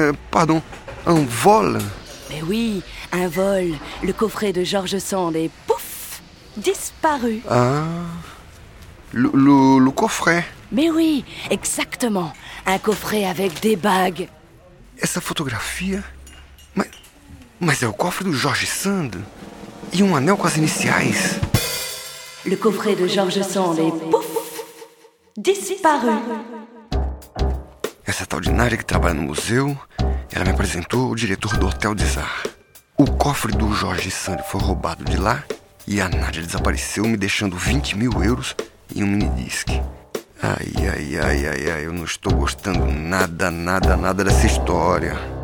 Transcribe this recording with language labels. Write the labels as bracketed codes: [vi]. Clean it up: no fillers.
[fr] Pardon, un vol? Mais oui, un vol. Le coffret de George Sand est pouf, disparu. Ah, le coffret? Mais oui, exactement. Un coffret avec des bagues. [pt] Essa fotografia? Mas é o cofre do George Sand? E um anel com as iniciais? [fr] Le coffret de George Sand est pouf, disparu. [pt] Essa tal de Nadia que trabalha no museu, ela me apresentou o diretor do Hotel des Arts. O cofre do George Sand foi roubado de lá e a Nadia desapareceu me deixando 20 mil euros em um minidisc. Ai, eu não estou gostando nada dessa história.